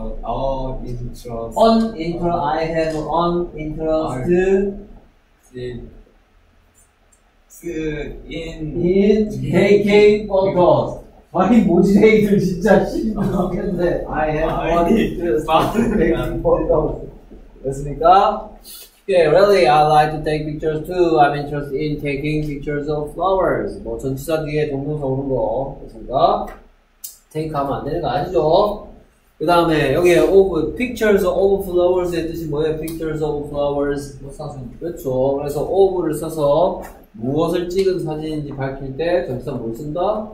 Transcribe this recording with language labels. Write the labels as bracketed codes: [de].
[en] On interest. I have on interest. In in taking photos. [ko] 아니 모자이크를 진짜 신경쓰겠는데 [en] I have one interest in taking photos. [ko] 됐습니까? [en] Yeah, really, I like to take pictures too. I'm interested in taking pictures of flowers. [ko] 뭐 전치사 뒤에 동동사 오는 거 됐습니까? Take 하면 안 되는 거 아시죠? 그 다음에 여기 of, [en] pictures of flowers [ko] 의 뜻이 뭐예요? [en] Pictures of flowers [ko] 뭐 사진 그렇죠. 그래서 of를 써서 무엇을 찍은 사진인지 밝힐 때 전치사 뭘 쓴다?